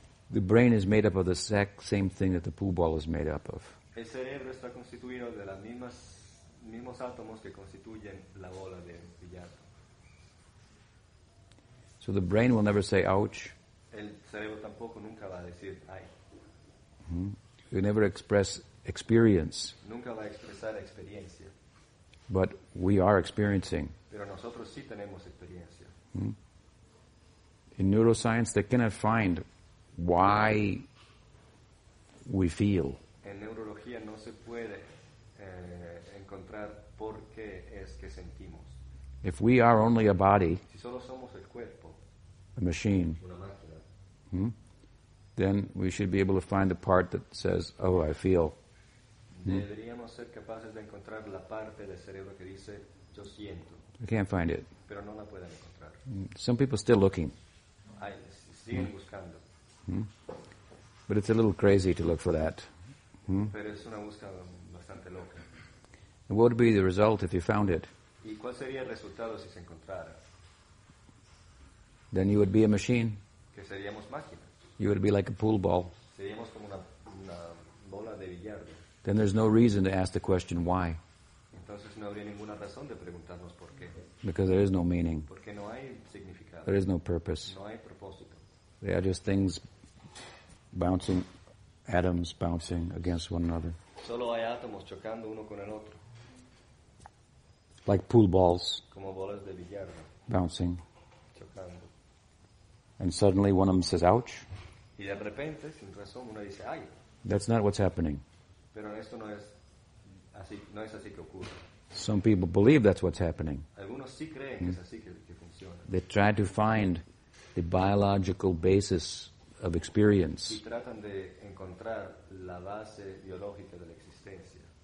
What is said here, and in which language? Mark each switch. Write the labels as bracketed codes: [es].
[en] The brain is made up of the exact same thing that the pool ball is made up of. [es] El cerebro está constituido de las mismas mismos átomos que constituyen la bola de billar. [en] So the brain will never say ouch. [es] El cerebro tampoco nunca va a decir ay. [en] You never express experience. [es] Nunca va a expresar experiencia. [en] But we are experiencing. [es] Pero nosotros sí tenemos experiencia. [en] In neuroscience, they cannot find why we feel. [es] En neurología no se puede encontrar por qué es que sentimos. [en] If we are only a body, [es] si solo somos el cuerpo, [en] a machine, [es] una máquina, [en] then we should be able to find the part that says, oh, I feel. [es] Deberíamos ser capaces de encontrar la parte del cerebro que dice, yo siento. [en] I can't find it. [es] Pero no la pueden encontrar. [en] Some people still looking. [es] Siguen buscando. [en] But it's a little crazy to look for that. [es] Pero es una búsqueda bastante loca. [en] And what would be the result if you found it? [es] ¿Y cuál sería el resultado si se encontrara? [en] Then you would be a machine. [es] Que seríamos máquina. [en] You would be like a pool ball. [es] Seríamos como una bola de billar. [en] Then there's no reason to ask the question why. [es] Entonces no habría ninguna razón de preguntarnos por qué. [en] Because there is no meaning. [es] Porque no hay significado. [en] There is no purpose. [es] No hay propósito. [en] They are just things bouncing, atoms bouncing against one another. [es] Solo hay átomos chocando uno con el otro. [en] Like pool balls. [es] Como bolas de billar. [en] Bouncing. [es] Chocando. [en] And suddenly one of them says, ouch. [es] Y de repente, sin razón, uno dice, ay. [en] That's not what's happening. [es] Pero esto no es así, no es así que ocurre. [en] Some people believe that's what's happening. [es] Algunos sí creen que es así que funciona. [en] They try to find the biological basis of experience. [es] Y tratan de encontrar la base biológica de la existencia.